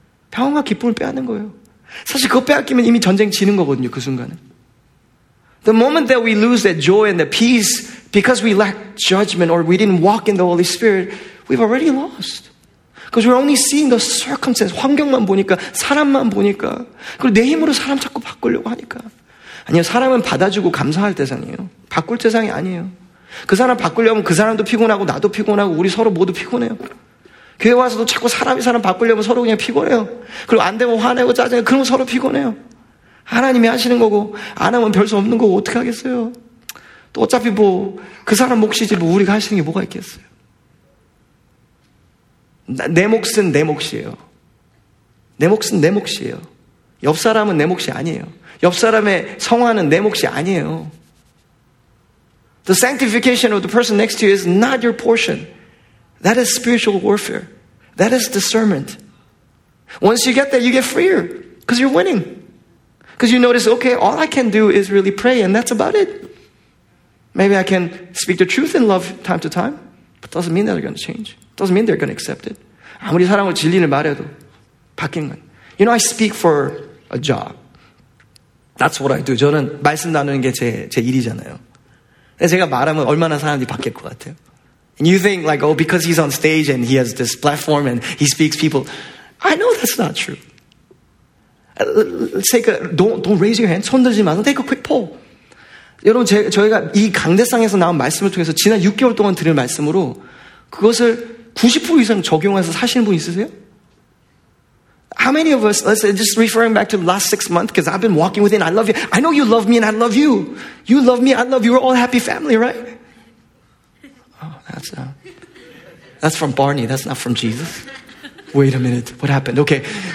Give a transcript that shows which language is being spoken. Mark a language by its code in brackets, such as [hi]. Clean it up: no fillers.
[ko] 평화와 기쁨을 빼앗는 거예요. 사실 그거 빼앗기면 이미 전쟁 지는 거거든요, 그 순간은. [en] The moment that we lose that joy and that peace because we lack judgment or we didn't walk in the Holy Spirit, we've already lost. Because we're only seeing the circumstance, [ko] 환경만 보니까, 사람만 보니까, 그리고 내 힘으로 사람 자꾸 바꾸려고 하니까. 아니요, 사람은 받아주고 감사할 대상이에요. 바꿀 대상이 아니에요. 그 사람 바꾸려면 그 사람도 피곤하고 나도 피곤하고 우리 서로 모두 피곤해요. 교회 와서도 자꾸 사람이 사람 바꾸려면 서로 그냥 피곤해요. 그리고 안 되면 화내고 짜증나고 그러면 서로 피곤해요. 하나님이 하시는 거고 안 하면 별 수 없는 거고 어떻게 하겠어요. 또 어차피 뭐 그 사람 몫이지 뭐 우리가 하시는 게 뭐가 있겠어요. 내 몫은 내 몫이에요. 내 몫은 내 몫이에요. 옆 사람은 내 몫이 아니에요. 옆 사람의 성화는 내 몫이 아니에요. [en] The sanctification of the person next to you is not your portion. That is spiritual warfare. That is discernment. Once you get that, you get freer. Because you're winning. Because you notice, okay, all I can do is really pray, and that's about it. Maybe I can speak the truth in love time to time, but it doesn't mean that they're going to change. Doesn't mean they're going to accept it. [ko] 아무리 사람을 진리를 말해도 바뀐 건. [en] You know, I speak for a job. That's what I do. [ko] 저는 말씀 나누는 게 제 일이잖아요. 제가 말하면 얼마나 사람들이 바뀔 것 같아요. [en] And you think like, oh, because he's on stage and he has this platform and he speaks people. I know that's not true. Let's take a, don't raise your hand. [ko] 손 들지 마세요. [en] Take a quick poll. [ko] 여러분, 저희가 이 강대상에서 나온 말씀을 통해서 지난 6개월 동안 들은 말씀으로 그것을 90% 이상 적용해서 사시는 분 있으세요? [en] How many of us, let's just referring back to the last 6 months, because I've been walking with him, I love you. I know you love me and I love you. You love me, I love you. We're all happy family, right? Oh, that's from Barney. That's not from Jesus. Wait a minute. What happened? Okay.